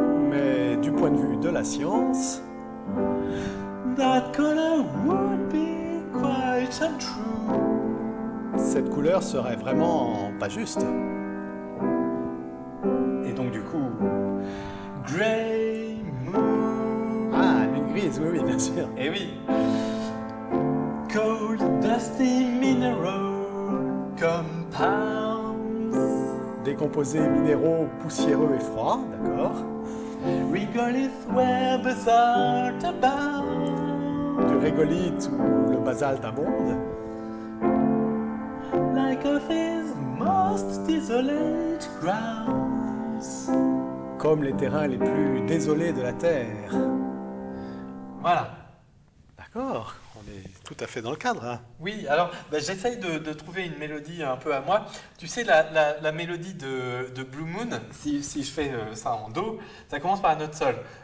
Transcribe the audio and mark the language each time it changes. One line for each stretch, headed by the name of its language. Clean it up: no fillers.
French: Mais du point de vue de la science,
English: view, that color would be quite untrue.
French: cette couleur serait vraiment pas juste. Et donc du coup, gray moon. Ah, lune grise, oui, bien sûr. Eh oui.
English: Cold dusty mineral compounds.
French: Décomposés minéraux poussiéreux et froids, d'accord.
English: Regolith where basalt abounds.
French: Du régolithe ou le basalte abonde.
English: Like Earth is most desolate grounds.
French: Comme les terrains les plus désolés de la Terre. Voilà. D'accord. On est tout à fait dans le cadre. Hein. Oui, alors j'essaye de trouver une mélodie un peu à moi. Tu sais, la mélodie de Blue Moon, si je fais ça en do, ça commence par la note sol.